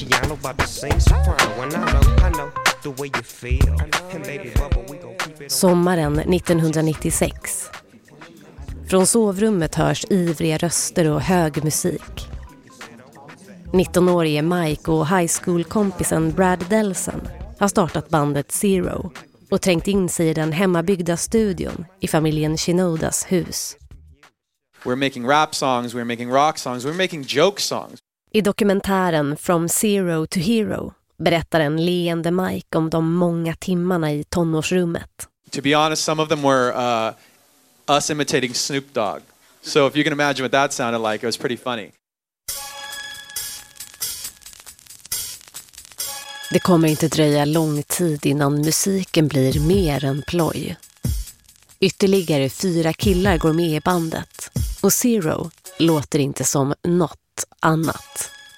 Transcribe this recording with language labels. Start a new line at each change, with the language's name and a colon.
English: about to sing soprano when I know the way you feel. And baby bubble, we gon' keep it.
Swedish: Sommaren 1996. Från sovrummet hörs ivriga röster och hög musik. 19-årige Mike och high school-kompisen Brad Delson har startat bandet Zero och trängt in sig i den hemmabyggda studion i familjen Shinodas hus.
English: We're making rap songs, we're making rock songs, we're making joke songs.
Swedish: I dokumentären From Zero to Hero berättar en leende Mike om de många timmarna i tonårsrummet.
English: To be honest, some of them were us imitating Snoop Dogg. So if you can imagine what that sounded like, it was pretty funny.
Swedish: Det kommer inte dröja lång tid innan musiken blir mer än ploj. Ytterligare 4 killar går med i bandet. Och Zero låter inte som något annat.